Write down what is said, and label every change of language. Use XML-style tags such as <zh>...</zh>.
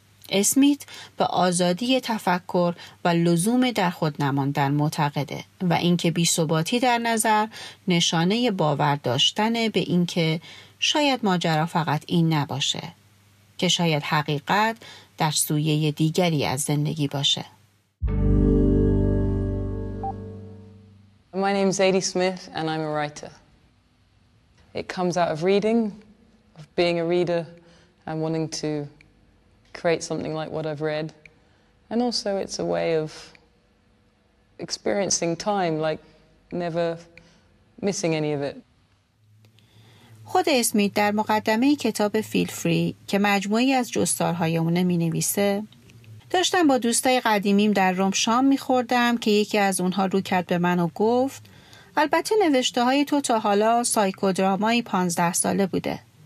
<fa>اسمیت به آزادی تفکر و لزوم در خود نماندن معتقده و اینکه بی‌ثباتی در نظر نشانه باور داشتن به اینکه شاید ماجرا فقط این نباشه که شاید حقیقت در سویه دیگری از زندگی باشه.</fa> <en>My name is Zadie Smith and I'm a writer. It comes out of reading, of being a reader and wanting to create something like what I've read, and also it's a way of experiencing time, like never missing any of it.</en> <fa>خود اسمیت در مقدمه کتاب فیل فری که مجموعی از جستارهایمونه می نویسه: داشتم با دوستای قدیمیم در روم شام می خوردم که یکی از اونها رو کرد به من و گفت البته نوشته های تو تا حالا سایکودرامایی 15 ساله بوده.</fa>